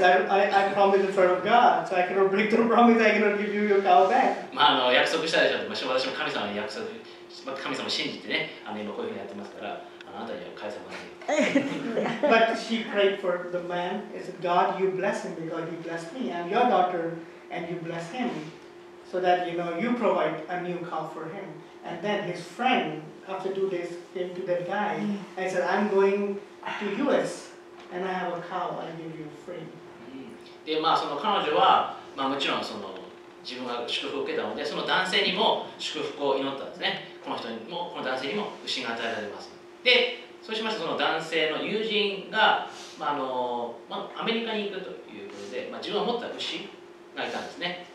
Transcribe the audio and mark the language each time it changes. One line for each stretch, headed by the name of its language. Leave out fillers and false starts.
English: I promise in front of God, so I cannot break the promise. I cannot give you your cow back."
Japanese: まああの約束したでしょ。まあ私も神様に約束、まあ神様を信じてね、あの今こういうふうにやってますから、あなたには返せません。
English: But she prayed for the man. Is God, you bless him because you bless me. I'm your daughter, and you bless him, so that you know you provide a new cow for him. And then his friend, after 2 days, came to that guy and said, "I'm going to U.S. And I have a cow, I give you free.、
Japanese: でまあその彼女は、まあ、もちろんその自分が祝福を受けたのでその男性にも祝福を祈ったんですね。この人にもこの男性にも牛が与えられます。でそうしましたその男性の友人が、まああのまあ、アメリカに行くということで、まあ、自分が持った牛がいたんですね。